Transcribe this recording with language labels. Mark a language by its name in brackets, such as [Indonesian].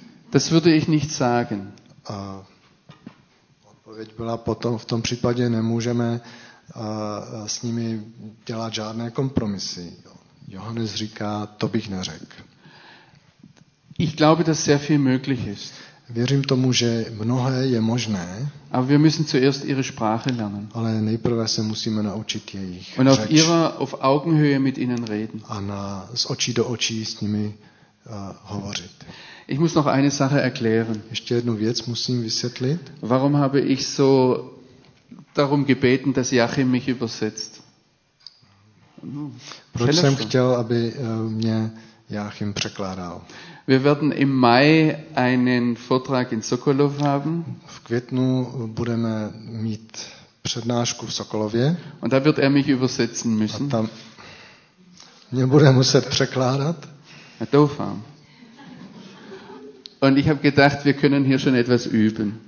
[German] Das würde ich nicht sagen. [Czech] Odpověď byla potom, v tom případě nemůžeme s nimi dělat žádné kompromisy. Johannes říká, to bych neřekl. [German] Ich glaube, dass sehr viel möglich ist. [Czech] Věřím tomu, že mnohé je možné. [German] Aber wir müssen zuerst ihre Sprache lernen. [Czech] Ale nejprve se musíme naučit jejich řeč. [German] Und auf ihrer, auf Augenhöhe mit ihnen reden. [Czech] A na, z očí do očí s nimi hovořit. [German] Ich muss noch eine Sache erklären. [Czech] Ještě jednu věc musím vysvětlit. [German] Warum habe ich so darum gebeten, dass Jachim mich übersetzt? [Czech] Proč jsem chtěl, aby mě Jachim překládal? [German] Wir werden im Mai einen Vortrag in Sokolov haben. [Czech] V květnu budeme mít přednášku v Sokolově. [German] Und da wird mich übersetzen müssen. [Czech] A tam mě bude muset překládat. [German] Ja, [Czech] doufám. [German] Und ich habe gedacht, wir können hier schon etwas üben.